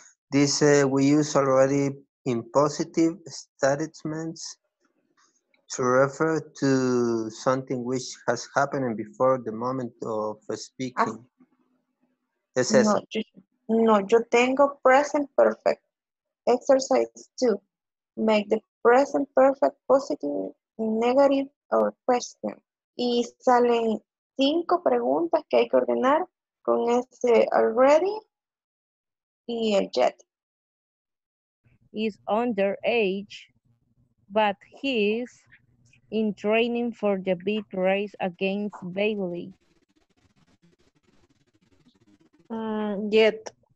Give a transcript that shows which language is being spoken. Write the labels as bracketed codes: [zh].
[es] Dice, [en] we use already in positive statements to refer to something which has happened before the moment of speaking. [es] Ah. Es eso. No, yo tengo present perfect. [en] Exercise 2. Make the present perfect positive, negative, or question. [es] Y salen 5 preguntas que hay que ordenar con ese already. [en] Is underage, but he's in training for the big race against Bailey. Yet.